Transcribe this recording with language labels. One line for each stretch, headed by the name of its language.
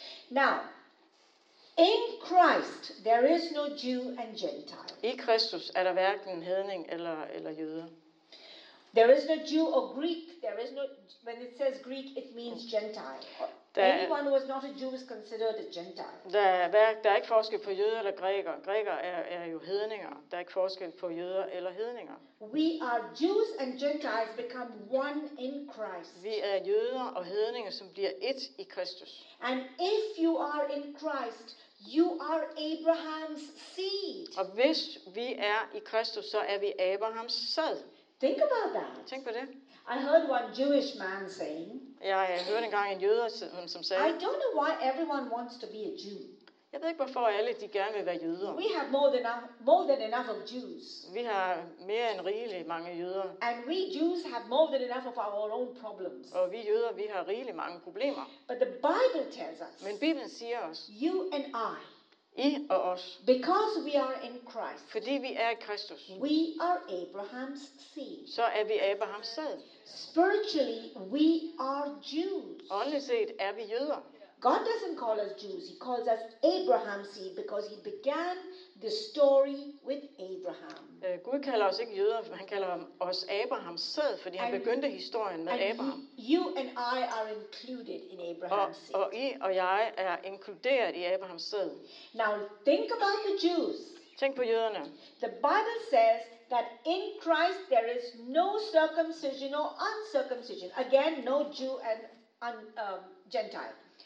English: Now, in Christ there is no Jew and Gentile.
Danish: I Kristus er der hverken hedning eller jøde.
English: There is no Jew or Greek. There is no, when it says Greek, it means Gentile. Anyone who is not a Jew is considered a Gentile.
Danish: Der er ikke forskel på jøder eller grækere. Grækere er jo hedninger. Der er ikke forskel på jøder eller hedninger.
English: We are Jews and Gentiles become one in Christ.
Danish: Vi er jøder og hedninger, som bliver ét i Kristus.
English: And if you are in Christ, you are Abraham's seed.
Danish: Og hvis vi er i Kristus, så er vi Abrahams sæd.
English: Think about that.
Danish: Tænk på det.
English: I heard one Jewish man saying.
Danish: Jeg hørte engang en jøde, som sagde.
English: I don't know why everyone wants to be a Jew.
Danish: Jeg ved ikke hvorfor alle de gerne vil være jøder.
English: We have more than enough of Jews.
Danish: Vi har mere end rigeligt mange jøder.
English: And we Jews have more than enough of our own problems.
Danish: Og vi jøder, vi har rigeligt mange problemer.
English: But the Bible tells us.
Danish: Men Bibelen siger os.
English: You and I.
Danish: I og os.
English: Because we are in Christ.
Danish: Fordi vi er i Kristus.
English: We are Abraham's seed.
Danish: Så er vi Abrahams sæd.
English: Spiritually we are Jews.
Danish: Åndeligt set er vi jøder.
English: God doesn't call us Jews. He calls us Abraham's seed because he began the story with Abraham.
Danish: Gud kalder os ikke jøder, han kalder os Abrahams sæd, fordi han begyndte historien med Abraham.
English: You and I are included in Abraham's seed.
Danish: Og I og jeg er inkluderet i Abrahams sæd.
English: Now think about the Jews.
Danish: Tænk på jøderne.
English: The Bible says that in Christ there is no circumcision or uncircumcision. Again, no Jew and Gentile.